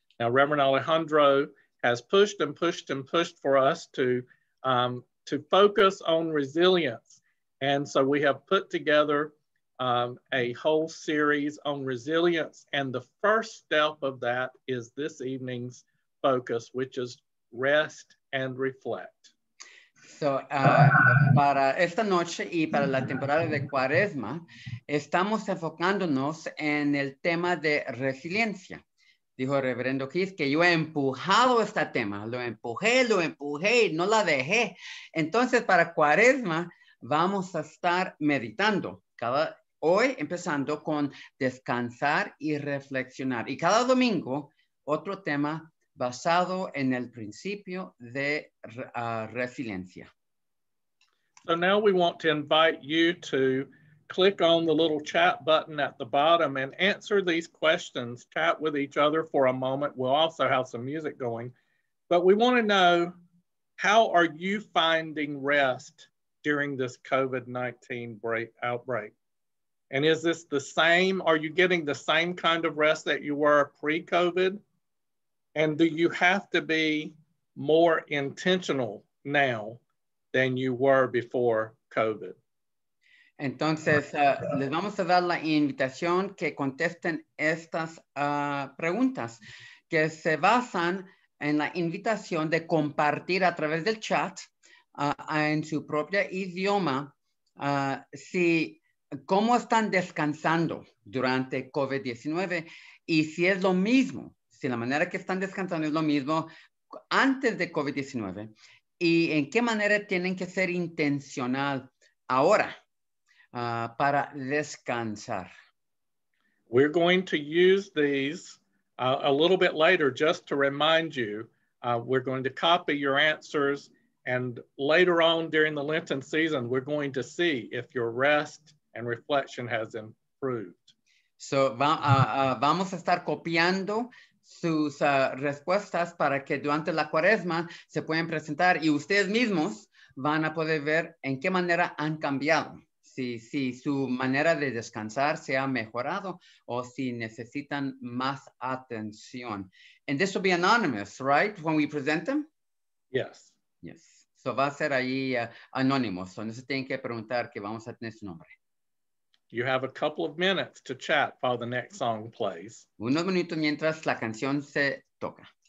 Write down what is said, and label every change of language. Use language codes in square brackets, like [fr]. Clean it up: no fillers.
[en] Now, Reverend Alejandro has pushed and pushed and pushed for us to focus on resilience. And so we have put together a whole series on resilience. And the first step of that is this evening's focus, which is rest and reflect. [es] So, para esta noche y para la temporada de Cuaresma, estamos enfocándonos en el tema de resiliencia. Dijo Reverendo Keith que yo he empujado este tema. Lo empujé y no la dejé. Entonces, para Cuaresma, vamos a estar meditando cada hoy empezando con descansar y reflexionar. Y cada domingo, otro tema basado en el principio de resiliencia. [en] So now we want to invite you to click on the little chat button at the bottom and answer these questions, chat with each other for a moment. We'll also have some music going. But we want to know, how are you finding rest during this COVID-19 outbreak? And is this the same? Are you getting the same kind of rest that you were pre-COVID? And do you have to be more intentional now than you were before COVID? [es] Entonces, les vamos a dar la invitación que contesten estas preguntas que se basan en la invitación de compartir a través del chat en su propio idioma si... ¿Cómo están descansando durante COVID-19? Y si es lo mismo, si la manera que están descansando es lo mismo antes de COVID-19, y en qué manera tienen que ser intencional ahora para descansar. [en] We're going to use these a little bit later, just to remind you. We're going to copy your answers, and later on during the Lenten season, we're going to see if your rest and reflection has improved. [es] So, vamos a estar copiando sus respuestas para que durante la cuaresma se pueden presentar y ustedes mismos van a poder ver en qué manera han cambiado, si su manera de descansar se ha mejorado o si necesitan más atención. [en] And this will be anonymous, right, when we present them? Yes. [es] Yes. So, va a ser ahí anónimo. So, no se tienen que preguntar que vamos a tener su nombre. [en] You have a couple of minutes to chat while the next song plays. [es] Unos minutos mientras la canción se toca.